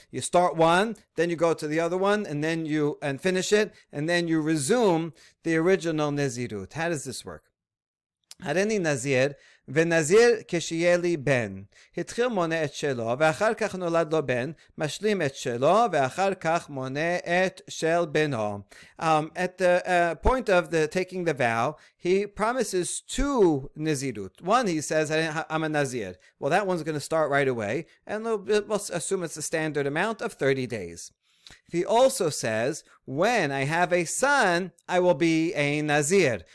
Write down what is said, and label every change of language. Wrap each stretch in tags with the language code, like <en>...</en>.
<en>You start one, then you go to the other one, and then you and finish it, and then you resume the original Nazirut. How does this work?</en> <he>הרני נזיר, ונזיר כשיהיה לי בן. התחיל מונה את שלו, ואחר כך נולד לו בן, משלים את שלו, ואחר כך מונה את של בנו.</he> <en>At the point of the taking the vow, he promises two nazirut. One, he says, I'm a nazir. Well, that one's going to start right away, and we'll assume it's a standard amount of 30 days. He also says, when I have a son, I will be a Nazir.</en>